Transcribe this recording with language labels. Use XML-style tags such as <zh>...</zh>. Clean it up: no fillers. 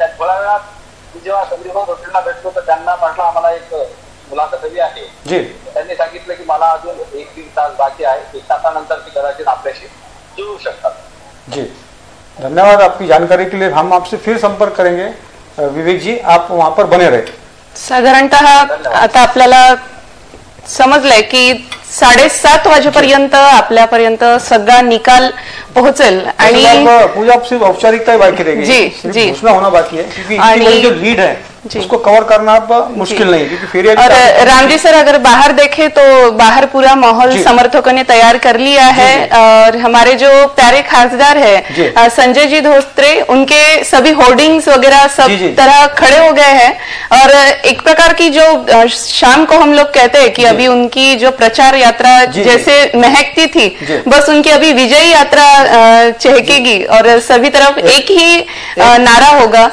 <mr>त्या थोड्या वेळात जेव्हा संदीभाऊ धोत्रेंना भेटलो तर त्यांना म्हटलं आम्हाला एक मुलाखत हवी आहे जी। त्यांनी सांगितलं की मला अजून 1-3 तास बाकी आहे 1 तासानंतर ती कदाचित आपल्याशी जुळू शकतात जी।</mr> <hi>धन्यवाद आपकी जानकारी के लिए। हम आपसे फिर संपर्क करेंगे। विवेक जी आप वहां पर बने रहे।</hi> <mr>साधारणतः आता आपल्याला समजलंय की 7:30 वाजेपर्यंत आपल्यापर्यंत सगळा निकाल पोहोचेल आणि औपचारिकता बाकी जी घोषणा होणार बाकी आहे। लीड आहे</mr> <hi>उसको कवर करना मुश्किल नहीं क्योंकि फेरिया और राम जी सर अगर बाहर देखे तो बाहर पूरा माहौल समर्थकों ने तैयार कर लिया है और हमारे जो प्यारे खासदार है संजय जी धोत्रे उनके सभी होर्डिंग्स वगैरह सब तरह खड़े हो गए हैं और एक प्रकार की जो शाम को हम लोग कहते हैं कि अभी उनकी जो प्रचार यात्रा जैसे महकती थी बस उनकी अभी विजयी यात्रा चहकेगी और सभी तरफ एक ही नारा होगा।</hi>